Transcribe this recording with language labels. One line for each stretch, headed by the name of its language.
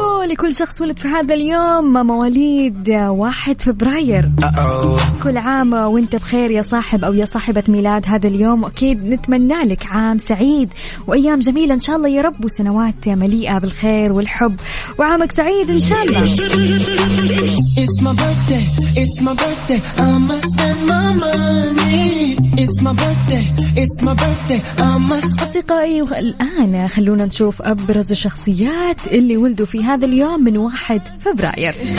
Arabic: لكل شخص ولد في هذا اليوم مواليد 1 فبراير، كل عام وانت بخير يا صاحب أو يا صاحبة ميلاد هذا اليوم، وأكيد نتمنى لك عام سعيد وأيام جميلة إن شاء الله يا رب، وسنوات مليئة بالخير والحب، وعامك سعيد إن شاء الله.
English: It's my birthday, it's my birthday, I must spend my money. It's my birthday, it's my birthday, I must.
Arabic: أصدقائي الآن خلونا نشوف أبرز الشخصيات اللي ولدوا في هذا اليوم من 1 فبراير.